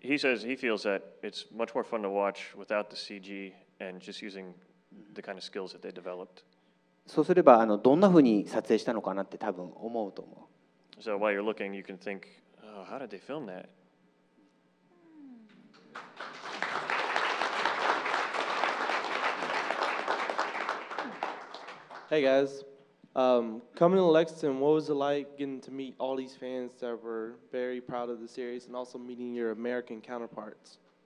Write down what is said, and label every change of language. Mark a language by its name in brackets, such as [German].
[English] He says he feels that it's much more fun to watch without the CG and just using the kind of skills that they developed. [Japanese] そうすればどんな風に撮影したのかなって多分思うと思う。 [English] So while you're looking, you can think,、how did they film that? Hey guys, coming to Lexington, what was it like getting to meet all these fans that were very proud of the series and also meeting your American counterparts?